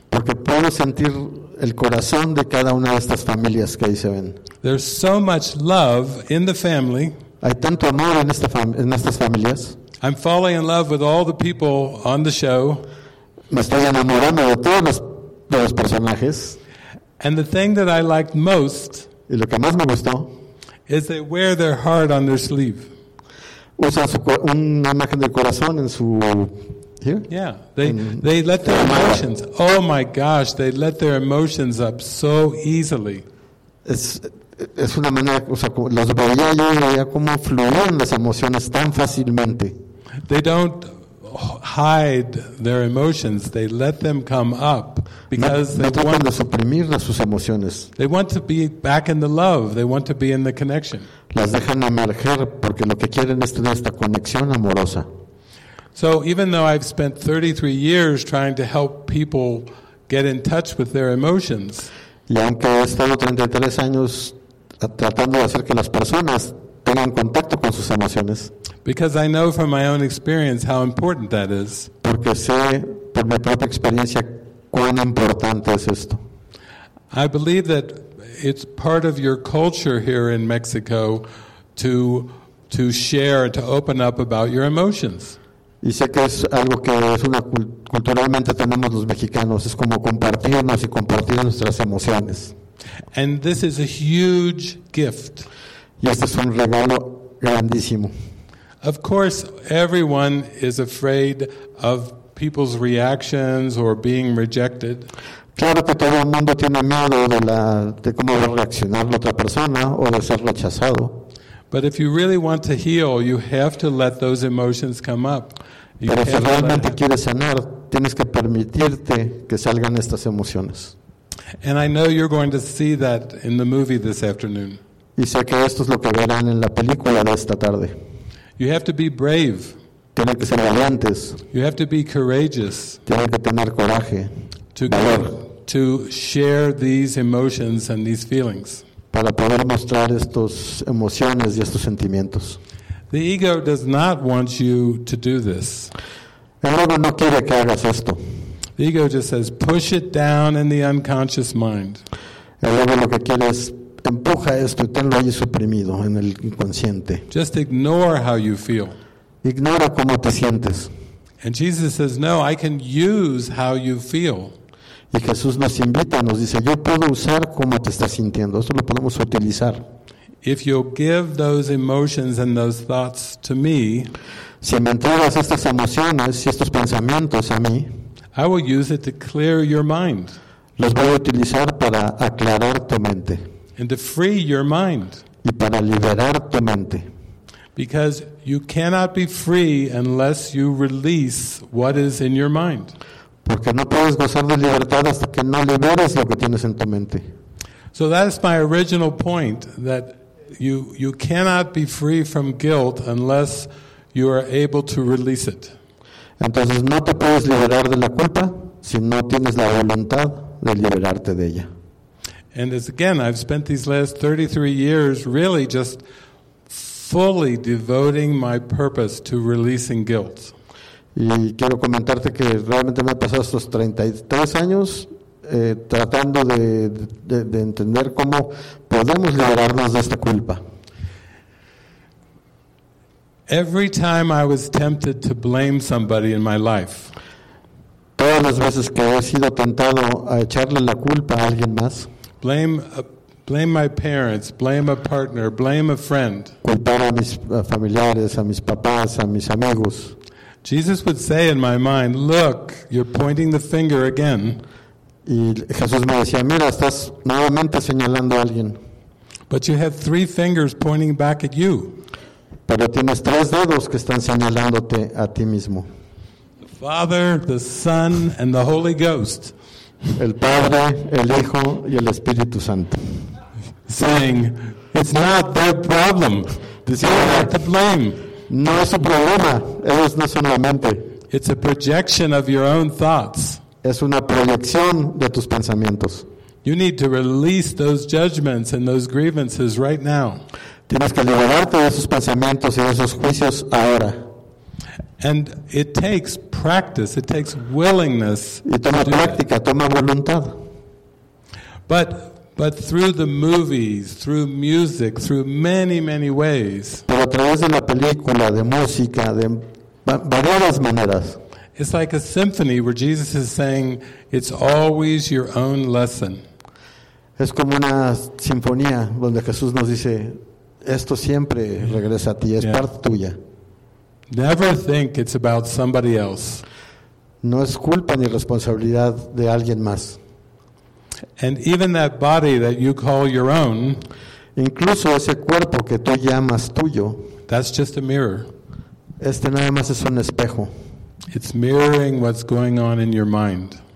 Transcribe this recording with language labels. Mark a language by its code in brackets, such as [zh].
[es] Porque puedo sentir el corazón de cada una de estas familias que ahí se ven. [en] There's so much love in the family. [es] Hay tanto amor en estas familias. [en] I'm falling in love with all the people on the show. [es] Me estoy enamorando de todos los personajes. [en] And the thing that I liked most, [es] y lo que más me gustó, [en] is they wear their heart on their sleeve. [es] Usan una imagen del corazón en su [en] here? Yeah, they let their emotions. Oh my gosh, they let their emotions up so easily. [es] Es una manera, o sea, los veía yo y veía cómo fluían las emociones tan fácilmente. [en] They don't hide their emotions. They let them come up because no, no they want [es] to suprimir sus emociones. [en] They want to be back in the love. They want to be in the connection. [es] Las dejan emerger porque lo que quieren es tener esta conexión amorosa. [en] So even though I've spent 33 years trying to help people get in touch with their emotions, [es] y aunque he estado 33 años tratando de hacer que las personas tengan contacto con sus emociones, [en] because I know from my own experience how important that is, [es] porque sé por mi propia experiencia cuán importante es esto. [en] I believe that it's part of your culture here in Mexico to share, to open up about your emotions. [es] Y sé que es algo que es una culturalmente tenemos los mexicanos, es como compartirnos y compartir nuestras emociones. [en] And this is a huge gift. [es] Y este es un regalo grandísimo. [en] Of course, everyone is afraid of people's reactions or being rejected. [es] Claro que todo el mundo tiene miedo de cómo va a reaccionar la otra persona o de ser rechazado. [en] But if you really want to heal, you have to let those emotions come up. [es] Pero si realmente quieres sanar, tienes que permitirte que salgan estas emociones. [en] And I know you're going to see that in the movie this afternoon. [es] Y sé que esto es lo que verán en la película de esta tarde. [en] You have to be brave. [es] Tienen que ser valientes. [en] You have to be courageous. [es] Tienen que tener coraje. [en] To share these emotions and these feelings. [es] Para poder mostrar estas emociones y estos sentimientos. [en] The ego does not want you to do this. [es] El ego no quiere que hagas esto. [en] The ego just says, push it down in the unconscious mind. [es] El ego lo que quiere es, empuja esto y tenlo ahí suprimido en el inconsciente. [en] Just ignore how you feel. [es] Ignora cómo te sientes. [en] And Jesus says, no, I can use how you feel. [es] Y Jesús nos invita, nos dice, yo puedo usar cómo te estás sintiendo. Esto lo podemos utilizar. [en] If you'll give those emotions and those thoughts to me, [es] si me entregas estas emociones y estos pensamientos a mí, [en] I will use it to clear your mind. [es] Los voy a utilizar para aclarar tu mente. [en] And to free your mind. [es] Y para liberar tu mente. [en] Because you cannot be free unless you release what is in your mind. [es] Porque no puedes gozar de libertad hasta que no liberes lo que tienes en tu mente. [en] So that's my original point, that you cannot be free from guilt unless you are able to release it. [es] Entonces no te puedes liberar de la culpa si no tienes la voluntad de liberarte de ella. [en] And as again, I've spent these last 33 years really just fully devoting my purpose to releasing guilt. [es] Y quiero comentarte que realmente me he pasado estos 33 años tratando de entender cómo podemos liberarnos de esta culpa. [en] Every time I was tempted to blame somebody in my life, [es] todas las veces que he sido tentado a echarle la culpa a alguien más, [en] blame Blame my parents, blame a partner, blame a friend. [es] Culpar a mis familiares, a mis papás, a mis amigos. [en] Jesus would say in my mind, look, you're pointing the finger again. [es] Y Jesús me decía, mira, estás nuevamente señalando a alguien. [en] But you have three fingers pointing back at you. [es] Pero tienes tres dedos que están señalándote a ti mismo. [en] The Father, the Son, and the Holy Ghost. [es] El Padre, el Hijo, y el Espíritu Santo. [en] Saying, it's not their problem. They're not to blame. [es] No es su problema. Ellos no son la mente. [en] It's a projection of your own thoughts. [es] Es una proyección de tus pensamientos. [en] You need to release those judgments and those grievances right now. [es] Tienes que liberarte de esos pensamientos y de esos juicios ahora. [en] And it takes practice, it takes willingness. [es] Y toma práctica, toma voluntad. [en] But through the movies, through music, through many, many ways. [es] Pero a través de la película, de música, de varias maneras. [en] It's like a symphony where Jesus is saying, it's always your own lesson. [es] Es como una sinfonía donde Jesús nos dice, esto siempre regresa a ti, es parte tuya. [en] Never think it's about somebody else. [es] No es culpa ni responsabilidad de alguien más. [en] And even that body that you call your own, [es] incluso ese cuerpo que tú llamas tuyo, [en] that's just a mirror. [es] Este nada más es un espejo. [en] It's mirroring what's going on in your mind.